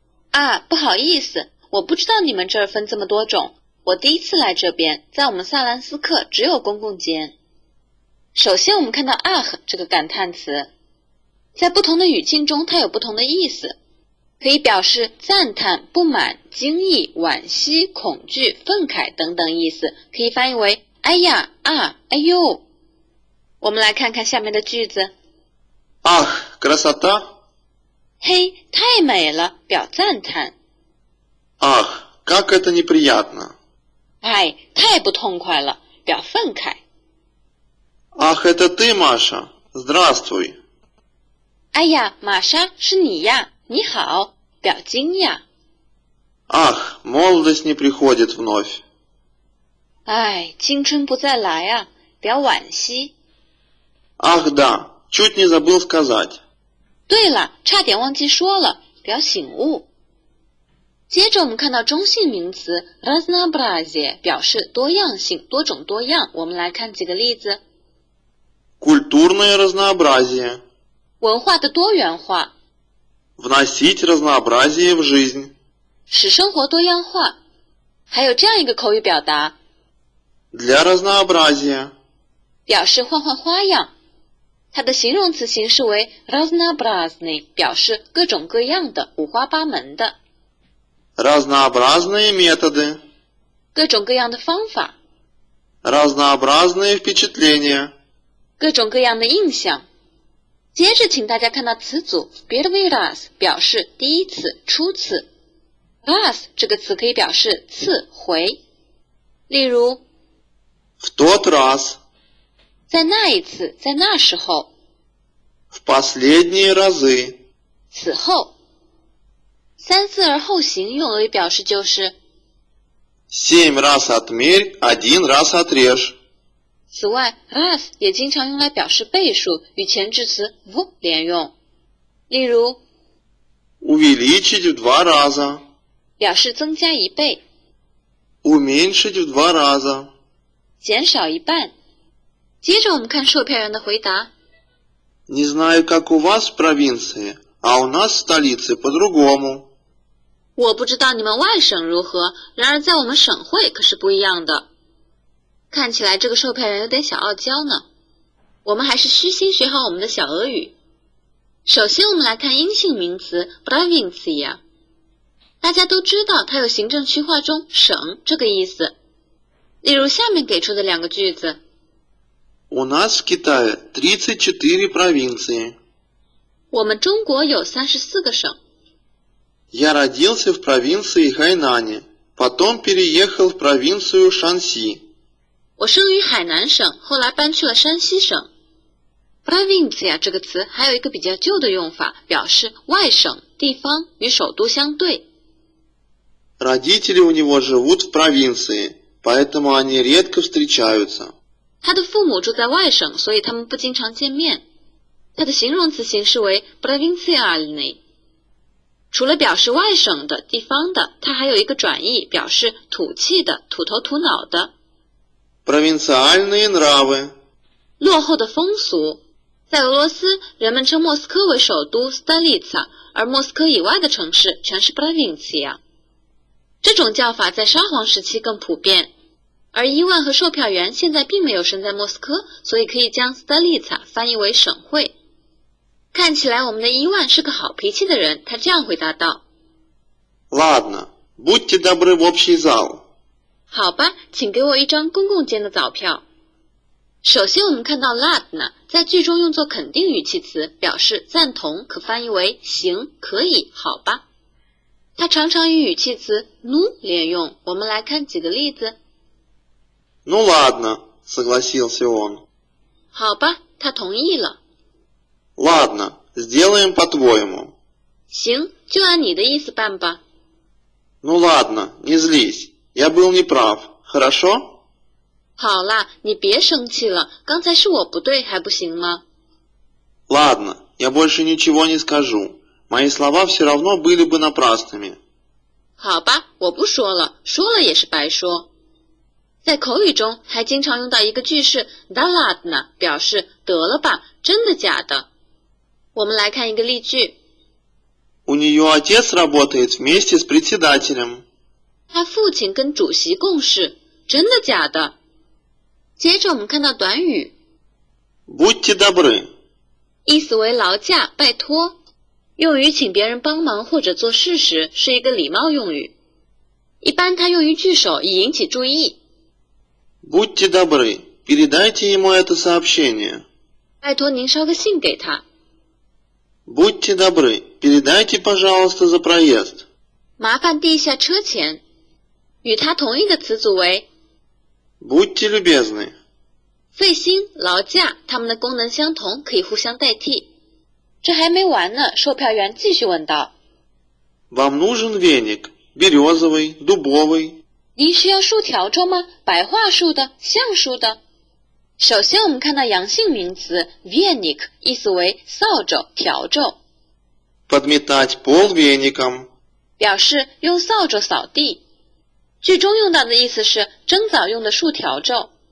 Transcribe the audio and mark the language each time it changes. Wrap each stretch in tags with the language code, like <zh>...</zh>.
<zh>啊，不好意思，我不知道你们这儿分这么多种。我第一次来这边，在我们萨兰斯克只有公共间。首先我们看到 Ах 这个感叹词。在不同的语境中它有不同的意思。可以表示赞叹、不满、惊异、惋惜、恐惧、愤慨等等意思，可以翻译为哎呀、啊、哎呦。我们来看看下面的句子。</zh> <ru>Ах, красота.</ru> <zh>嘿，太美了，表赞叹。</zh> <ru>Ах, как это неприятно.</ru> <zh>哎，太不痛快了，表愤慨。</zh> <ru>Ах, это ты, Маша. Здравствуй.</ru> <zh>哎呀，玛莎，是你呀。你好，表惊讶。</zh> <ru>Ах, молодость не приходит вновь.</ru> <zh>哎，青春不再来啊，表惋惜。</zh> <ru>Ах, да, чуть не забыл сказать.</ru> <zh>对了，差点忘记说了，表醒悟。接着我们看到中性名词 разнообразие, 表示多样性、多种多样。我们来看几个例子。</zh> <ru>Культурное разнообразие.</ru> <zh>文化的多元化。</zh> <ru>Вносить разнообразие в жизнь.</ru> <zh>使生活多样化。还有这样一个口语表达。</zh> <ru>Для разнообразия.</ru> <zh>表示换换花样。它的形容词形式为 разнообразный, 表示各种各样的、五花八门的。</zh> <ru>Разнообразные методы.</ru> <zh>各种各样的方法。</zh> <ru>Разнообразные впечатления.</ru> <zh>各种各样的印象。接着请大家看到词组</zh> <ru>первый раз,</ru> <zh>表示第一次、初次。 раз 这个词可以表示次、回。例如</zh> <ru>в тот раз,</ru> <zh>在那一次、在那时候。</zh> <ru>в последние разы,</ru> <zh>此后。三次而后行用来表示就是</zh> <ru>семь раз отмерь, один раз отрежь.</ru> <zh>此外 раз 也经常用来表示倍数，与前置词 в 连用。例如</zh> <ru>увеличить в два раза,</ru> <zh>表示增加一倍。</zh> <ru>уменьшить в два раза,</ru> <zh>减少一半。接着我们看售票员的回答。</zh> <ru>Не знаю, как у вас в провинции, а у нас в столице по-другому.</ru> <zh>我不知道你们外省如何，然而在我们省会可是不一样的。看起来这个售票员有点小傲娇呢。我们还是虚心学好我们的小俄语。首先我们来看阴性名词 провинция。大家都知道它有行政区划中省这个意思。例如下面给出的两个句子。</zh> <ru>У нас в Китае 34 провинции.</ru> <zh>我们中国有34个省。</zh> <ru>Я родился в провинции Хайнане, потом переехал в провинцию Шанси.</ru> <zh>我生于海南省，后来搬去了山西省。Провинция 这个词还有一个比较旧的用法，表示外省、地方与首都相对。</zh> <ru>Родители у него живут в провинции, поэтому они редко встречаются.</ru> <zh>他的父母住在外省，所以他们不经常见面。他的形容词形式为 провинциальный。除了表示外省的、地方的，它还有一个转义，表示土气的、土头土脑的。</zh> <ru>Провинциальные нравы.</ru> <zh>落后的风俗。在俄罗斯，人们称莫斯科为首都 столица, 而莫斯科以外的城市全是 провинция。这种叫法在沙皇时期更普遍，而伊万和售票员现在并没有身在莫斯科，所以可以将 столица 翻译为省会。看起来我们的伊万是个好脾气的人，他这样回答道。</zh> <ru>Ладно, будьте добры в общий зал.</ru> <zh>好吧，请给我一张公共间的早票。首先我们看到 Ладно, 在句中用作肯定语气词，表示赞同，可翻译为行、可以、好吧。它常常与语气词 ну 连用，我们来看几个例子。</zh> <ru>Ну ладно, согласился он.</ru> <zh>好吧，他同意了。</zh> <ru>Ладно, сделаем по-твоему.</ru> <zh>行，就按你的意思办吧。</zh> <ru>Ну ладно, не злись, я был неправ, хорошо?</ru> <zh>好啦，你别生气了，刚才是我不对，还不行吗？</zh> <ru>Ладно, я больше ничего не скажу, мои слова все равно были бы напрасными.</ru> <zh>好吧，我不说了，说了也是白说。在口语中还经常用到一个句式</zh> <ru>да ладно,</ru> <zh>表示得了吧，真的假的。我们来看一个例句。</zh> <ru>У нее отец работает вместе с председателем.</ru> <zh>他父亲跟主席共事，真的假的？接着我们看到短语。</zh> <ru>Будьте добры.</ru> <zh>意思为劳驾，拜托。用于请别人帮忙或者做事时，是一个礼貌用语。一般它用于句首，以引起注意。</zh> <ru>Будьте добры, передайте ему это сообщение.</ru> <zh>拜托您捎个信给他。</zh> <ru>Будьте добры, передайте, пожалуйста, за проезд.</ru> <zh>麻烦递一下车钱。与他同意的词组为</zh> <ru>Будьте любезны.</ru> <zh>费心、劳驾，他们的功能相同，可以互相代替。这还没完呢，售票员继续问道。</zh> <ru>Вам нужен веник, березовый, дубовый.</ru> <zh>您需要树条状吗？白桦树的、橡树的？首先我们看到阳性名词 веник, 意思为扫帚、笤帚。</zh> <ru>Подметать пол веником,</ru> <zh>表示用扫帚扫地。句中用到的意思是蒸澡用的树笤帚。</zh>